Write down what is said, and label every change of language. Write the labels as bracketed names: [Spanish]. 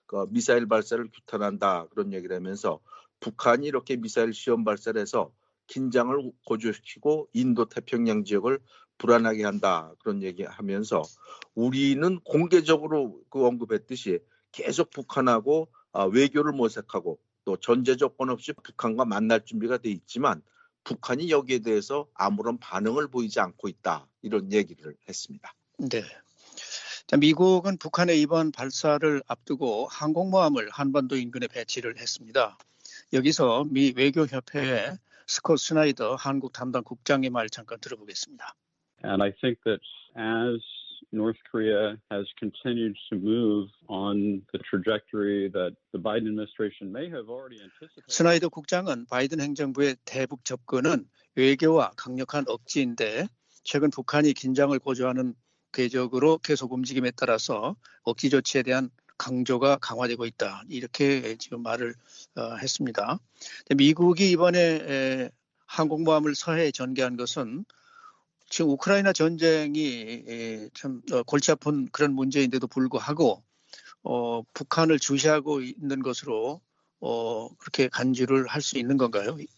[Korean] 미사일 발사를 규탄한다 그런 얘기를 하면서 북한이 이렇게 미사일 시험 발사를 해서 긴장을 고조시키고 인도태평양 지역을 불안하게 한다 그런 얘기하면서 우리는 공개적으로 그 언급했듯이 계속 북한하고 외교를 모색하고 또 전제조건 없이 북한과 만날 준비가 돼 있지만 북한이 여기에 대해서 아무런 반응을 보이지 않고 있다 이런 얘기를 했습니다. 네. 자, 미국은 북한의 이번 발사를 앞두고 항공모함을 한반도 인근에 배치를 했습니다. 여기서 미 외교협회의 스콧 스나이더 한국 담당 국장의 말 잠깐 들어보겠습니다. [English] And I think that as North Korea has continued to move on the trajectory that the Biden administration may have already anticipated. [Korean] 스나이더 국장은 바이든 행정부의 대북 접근은 외교와 강력한 억지인데 최근 북한이 긴장을 고조하는 궤적으로 계속 움직임에 따라서 억지 조치에 대한 강조가 강화되고 있다. 이렇게 지금 말을 했습니다. 미국이 이번에 항공모함을 서해에 전개한 것은 지금 우크라이나 전쟁이 참 골치 아픈 그런 문제인데도 불구하고 북한을 주시하고 있는 것으로 그렇게 간주를 할 수 있는 건가요?